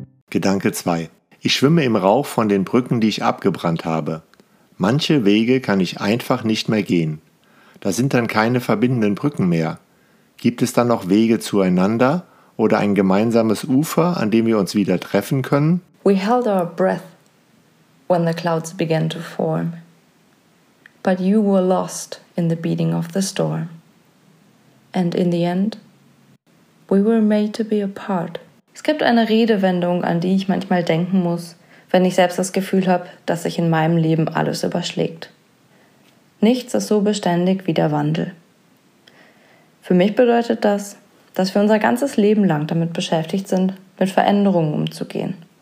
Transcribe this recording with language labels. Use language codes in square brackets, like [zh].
[de] Gedanke 2. Ich schwimme im Rauch von den Brücken, die ich abgebrannt habe. Manche Wege kann ich einfach nicht mehr gehen. Da sind dann keine verbindenden Brücken mehr. Gibt es dann noch Wege zueinander oder ein gemeinsames Ufer, an dem wir uns wieder treffen können? [en] We held our breath when the clouds began to form. But you were lost in the beating of the storm. And in the end, we were made to be apart. [de] Es gibt eine Redewendung, an die ich manchmal denken muss, wenn ich selbst das Gefühl habe, dass sich in meinem Leben alles überschlägt. Nichts ist so beständig wie der Wandel. Für mich bedeutet das, dass wir unser ganzes Leben lang damit beschäftigt sind, mit Veränderungen umzugehen.